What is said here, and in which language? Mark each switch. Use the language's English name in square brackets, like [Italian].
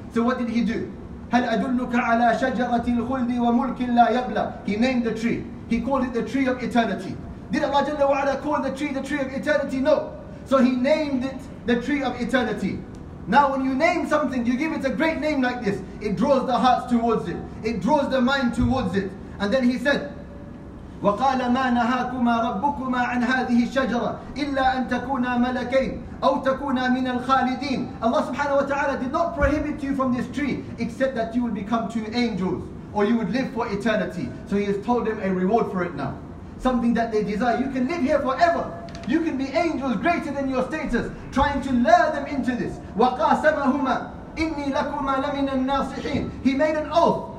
[English] So what did he do? [Arabic] هَلْ أَدُلُّكَ عَلَى شَجَرَةِ الْخُلْدِ وَمُلْكٍ لَا يَبْلَى. [English] He named the tree. He called it the tree of eternity. Did Allah Jalla wa Ala call the tree of eternity? No. So he named it the tree of eternity. Now when you name something, you give it a great name like this, it draws the hearts towards it. It draws the mind towards it. And then he said, [Arabic] وَقَالَ مَا نَهَاكُمَا رَبُّكُمَا عَنْ هَذِهِ الشَّجَرَةِ إِلَّا أَن تَكُونَا مَلَكَيْنِ أَوْ تَكُونَا مِنَ الْخَالِدِينَ. [English] Allah subhanahu wa ta'ala did not prohibit you from this tree except that you would become two angels or you would live for eternity. So he has told them a reward for it now. Something that they desire. You can live here forever. You can be angels greater than your status, trying to lure them into this. [Arabic] وَقَاسَمَهُمَا إِنِّي لَكُمَا لَمِنَ النَّاصِحِينَ. [English] He made an oath.